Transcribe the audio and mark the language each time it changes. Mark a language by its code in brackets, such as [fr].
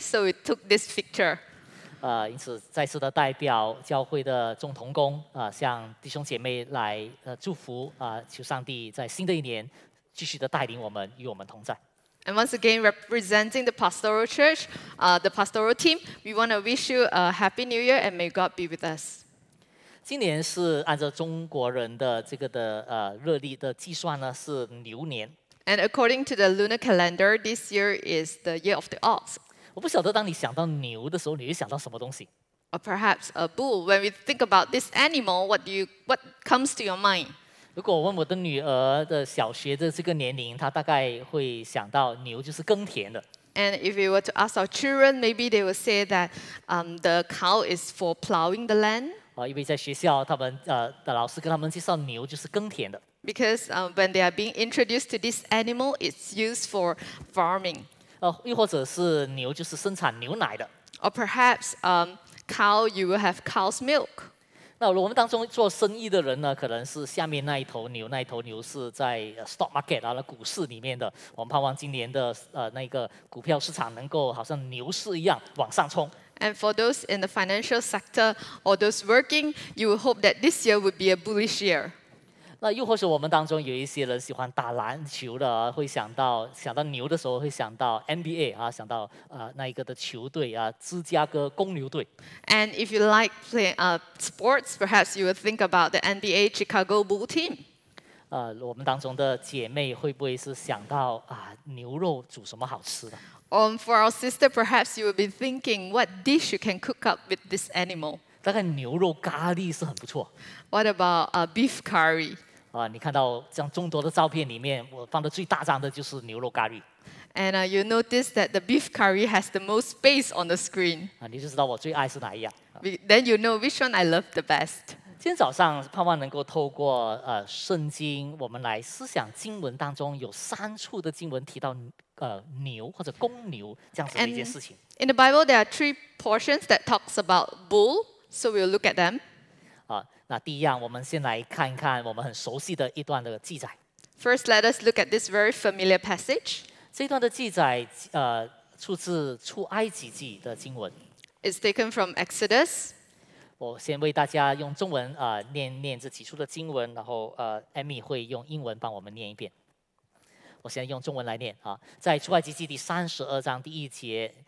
[en] So we took this picture. [zh] 因此再次的代表教会的众同工向弟兄姐妹来祝福求上帝在新的一年继续的带领我们，与我们同在。 [en] And once again, representing the pastoral church, the pastoral team, we want to wish you a happy new year and may God be with us. [zh] 今年是按照中国人的这个的热历的计算呢，是牛年。 [en] And according to the lunar calendar, this year is the year of the ox. [zh] 我不晓得当你想到牛的时候，你会想到什么东西 [en] ？Or perhaps a bull. When we think about this animal, what comes to your mind? [zh] 如果我问我的女儿的小学的这个年龄，她大概会想到牛就是耕田的。 [en] And if we were to ask our children, maybe they would say that, the cow is for plowing the land. [zh] 因为在学校，他们的老师跟他们介绍牛就是耕田的。 [en] Because when they are being introduced to this animal, it's used for farming. [zh] 又或者是牛就是生产牛奶的。 [en] Or perhaps cow, you will have cow's milk. [zh] 那我们当中做生意的人呢，可能是下面那一头牛，那一头牛是在 [en] stock market [zh] 啊，那股市里面的。我们盼望今年的那个股票市场能够好像牛市一样往上冲。 [en] And for those in the financial sector or those working, you will hope that this year would be a bullish year. [zh] 那又或是我们当中有一些人喜欢打篮球的，会想到牛的时候会想到 NBA 啊，想到那一个的球队啊，芝加哥公牛队。 [en] And if you like playing sports, perhaps you would think about the NBA Chicago Bull team. [zh] 我们当中的姐妹会不会是想到牛肉煮什么好吃的 [en] ？For our sister, perhaps you would be thinking what dish you can cook up with this animal. [zh] 大概牛肉咖喱是很不错。 [en] What about a beef curry? [zh] 你看到这样众多的照片里面，我放的最大张的就是牛肉咖喱。 [en] And you notice that the beef curry has the most space on the screen. [zh] 你就知道我最爱是哪一样。 [en] Then you know which one I love the best. [zh] 今天早上盼望能够透过圣经，我们来思想经文当中有三处的经文提到牛或者公牛这样子的一件事情。 [en] And in the Bible, there are three portions that talks about bull. So we'll look at them. [zh] 那第一样，我们先来看一看我们很熟悉的一段的记载。 [en] First, let us look at this very familiar passage. [zh] 这段的记载，出自出埃及记的经文。 [en] It's taken from Exodus. [zh] 我先为大家用中文念这几处的经文，然后Amy 会用英文帮我们念一遍。我先用中文来念啊，在出埃及记第三十二章第一节。